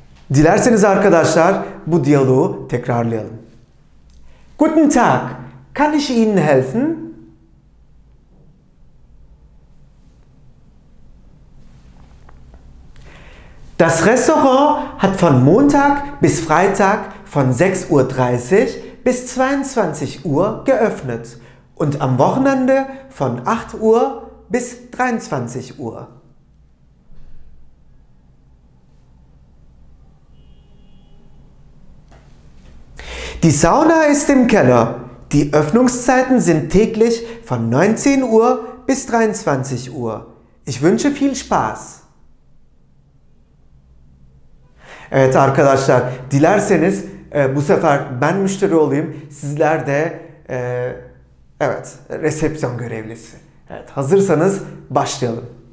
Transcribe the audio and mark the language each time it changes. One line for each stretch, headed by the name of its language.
Turkish: Dilerseniz arkadaşlar bu diyaloğu tekrarlayalım.
German: Guten Tag, kann ich Ihnen helfen? Das Restaurant hat von Montag bis Freitag von 6.30 Uhr bis 22 Uhr geöffnet und am Wochenende von 8 Uhr bis 23 Uhr. Die Sauna ist im Keller. Die Öffnungszeiten sind täglich von 19 Uhr bis 23 Uhr. Ich wünsche viel Spaß.
Turkish: Evet arkadaşlar, dilerseniz bu sefer ben müşteri olayım, sizler de evet resepsiyon görevlisi. Evet, hazırsanız başlayalım.